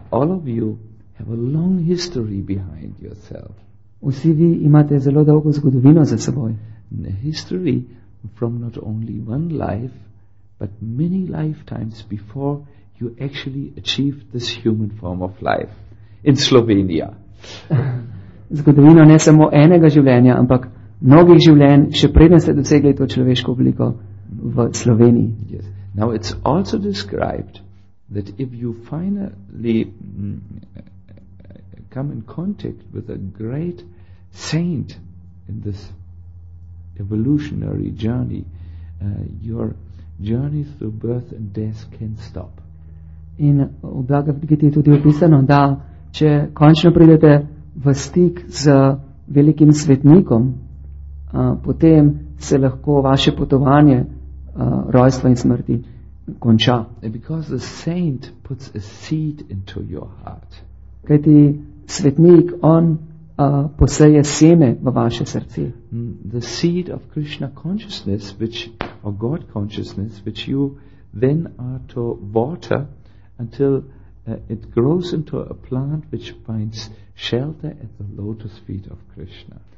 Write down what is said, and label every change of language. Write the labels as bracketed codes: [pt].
[en] All of you have a long history behind yourself. [sl] Vsi vi imate zelo dolgo zgodovino za seboj. [en] A history from not only one life, but many lifetimes before you actually achieved this human form of life in Slovenia. [sl] Zgodovino ne samo enega življenja, ampak mnogih življenj, še preden ste dosegli to človeško obliko v Sloveniji. [en] Yes. Now it's also described that if you finally come in contact with a great saint in this evolutionary journey, your journey through birth and death can stop. [sl] In v Bhagavad Gita je tudi opisano, da če končno pridete v stik z velikim svetnikom, potem se lahko vaše potovanje rojstva in smrti konča. [en] And because the saint puts a seed into your heart. [sl] Kajti svetnik, on poseje seme v vaše srce. [en] The seed of Krishna consciousness, which, or God consciousness, which you then are to water until it grows into a plant which finds shelter at the lotus feet of Krishna.